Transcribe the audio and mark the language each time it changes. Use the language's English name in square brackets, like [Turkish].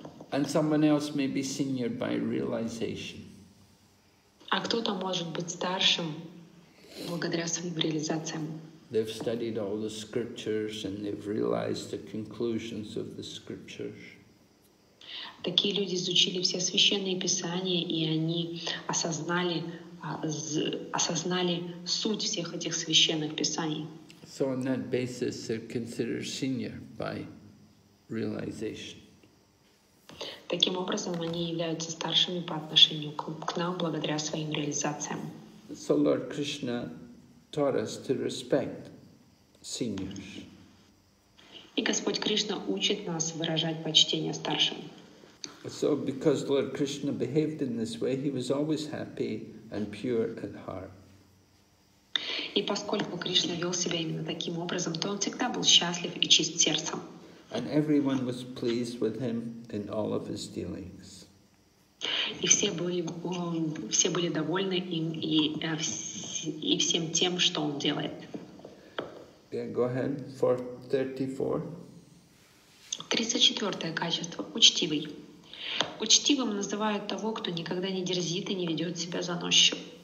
[English] And someone else may be senior by realization. [Russian] А кто-то может быть старшим благодаря своим реализациям. [English] They've studied all the scriptures and they've realized the conclusions of the scriptures. [Russian] Такие люди изучили все священные писания, и они осознали суть всех этих священных писаний. [English] So on that basis, they're considered senior by realization. [Russian] Таким образом, они являются старшими по отношению к нам благодаря своим реализациям. [English] So Lord Krishna taught us to respect seniors. [Russian] И Господь Кришна учит нас выражать почтение старшим. [English] So, because Lord Krishna behaved in this way, he was always happy and pure at heart. [Russian] И поскольку Кришна вел себя именно таким образом, то он всегда был счастлив и чист сердцем. [English] And everyone was pleased with him in all of his dealings. [Russian] И все были довольны им и всем тем, что он делает. [English] Yeah, go ahead. 34. [Russian] 34-е качество. Учтивый. Учтивым называют того, кто никогда не дерзит и не ведет себя заносчиво.